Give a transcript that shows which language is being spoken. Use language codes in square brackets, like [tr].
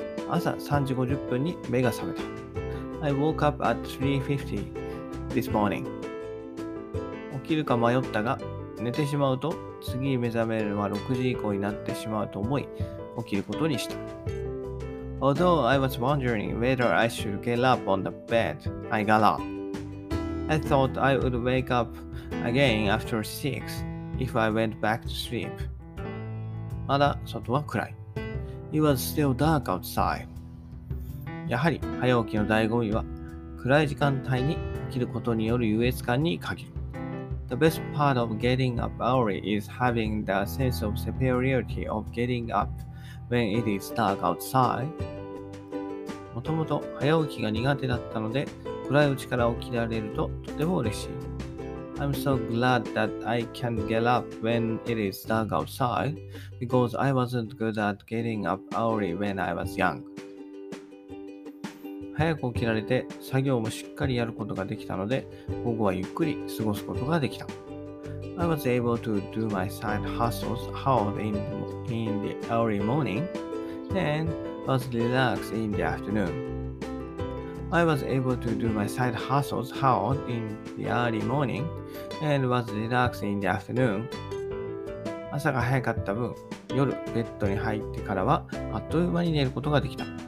[ja] 朝3時50分に目が覚めた。 [en] I woke up at 3:50 this morning。 [ja] 起きるか迷ったが、寝てしまうと次目覚めるのは6時以降になってしまうと思い起きることにした。 [en] Although I was wondering whether I should get up on the bed, I got up. I thought I would wake up again after 6 if I went back to sleep. [ja] まだ外は暗い。 [en] It was still dark outside. [ja] やはり早起きの醍醐味は暗い時間帯に起きることによる優越感に限る。 [en] The best part of getting up early is having the sense of superiority of getting upWhen it is dark outside. [ja] もともと早起きが苦手だったので、暗いうちから起きられるととても嬉しい。 [en] I'm so glad that I can get up when it is dark outside, because I wasn't good at getting up early when I was young. [ja] 早く起きられて、作業もしっかりやることができたので、午後はゆっくり過ごすことができた。 [en] I was able to do my side hustles hard in the early morning and was relaxed in the afternoon. I was able to do my side hustles hard in the early morning and was relaxed in the afternoon. [ja] 朝が早かった分、夜ベッドに入ってからはあっという間に寝ることができた。